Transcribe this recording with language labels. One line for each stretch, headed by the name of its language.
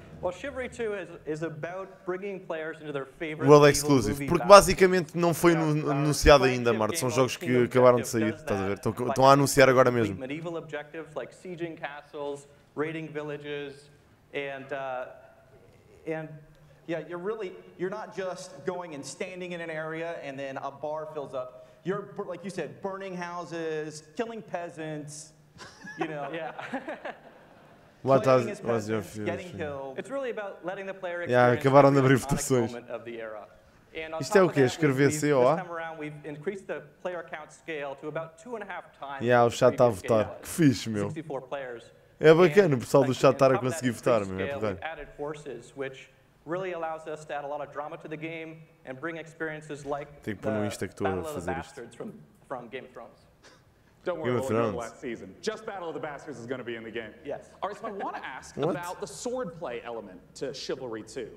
English: Well, Chivalry 2 is about bringing players into their favorite World
Portuguese: Exclusive, porque basicamente não foi anunciado ainda, Marte. São jogos que acabaram de sair, estás a ver? Estão a anunciar agora mesmo.
English: Medieval objectives like sieging castles, raiding villages, and yeah, you're not just going and standing in an area and then a bar fills up. You're like you said, burning houses, killing peasants, you know. Yeah. What was peasants, your feeling? It's really about letting the player experience the iconic moment of the era. And on top of that, this time around, we've increased the player count scale to about 2.5 times.
Portuguese: Yeah, o chat está a votar. Que fixe, meu.
English: 64 players.
Portuguese: É bacana o pessoal do chat estar a conseguir votar, meu.
English: We've added forces, which really allows us to add a lot of drama to the game and bring experiences like the Battle of the Bastards from Game of Thrones. Don't worry, we'll win the last season. Just Battle of the Bastards is going to be in the game. Yes. All right, so I want to ask about the swordplay element to Chivalry 2.